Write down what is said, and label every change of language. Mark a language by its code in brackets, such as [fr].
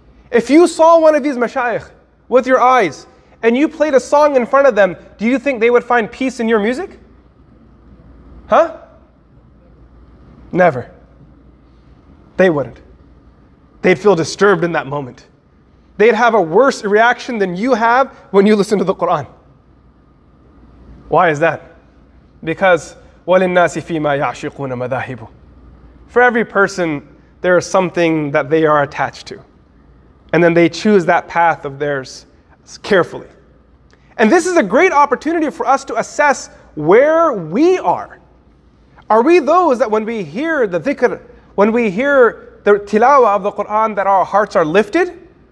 [en] If you saw one of these mashayikh with your eyes, and you played a song in front of them, do you think they would find peace in your music? Huh? Never. They wouldn't. They'd feel disturbed in that moment. They'd have a worse reaction than you have when you listen to the Qur'an. Why is that? Because, [ar] وَلِلنَّاسِ فِي مَا يَعْشِقُونَ مَذَاهِبُ. [en] For every person, there is something that they are attached to. And then they choose that path of theirs carefully. And this is a great opportunity for us to assess where we are. Are we those that when we hear the dhikr, when we hear the tilawa of the Qur'an, that our hearts are lifted?